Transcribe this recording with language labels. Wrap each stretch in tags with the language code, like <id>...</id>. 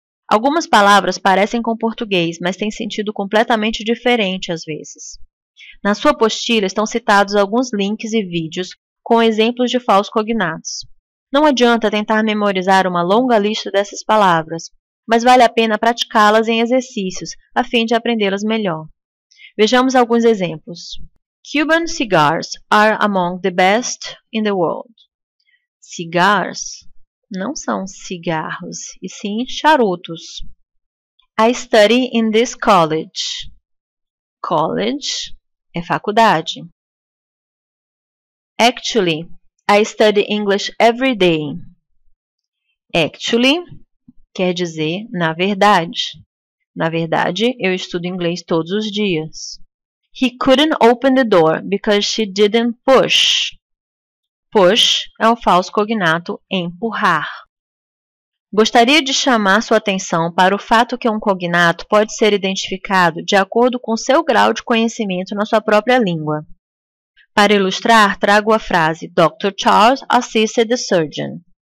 <pt>Algumas palavras parecem com português, mas têm sentido completamente diferente às vezes. Na sua apostila estão citados alguns links e vídeos com exemplos de falsos cognatos. Não adianta tentar memorizar uma longa lista dessas palavras, mas vale a pena praticá-las em exercícios, a fim de aprendê-las melhor. Vejamos alguns exemplos.</pt> <en>Cuban cigars are among the best in the world.</en> <pt>Cigars não são cigarros, e sim charutos.</pt> <en>I study in this college. College</en> <pt>é faculdade.</pt> <en>Actually, I study English every day. Actually</en> <pt>quer dizer na verdade. Na verdade, eu estudo inglês todos os dias.</pt> <en>He couldn't open the door because she didn't push.</en> <pt>Push é um falso cognato empurrar. Gostaria de chamar sua atenção para o fato que um cognato pode ser identificado de acordo com seu grau de conhecimento na sua própria língua. Para ilustrar, trago a frase Dr. Charles</pt> <en>assisted the surgeon.</en>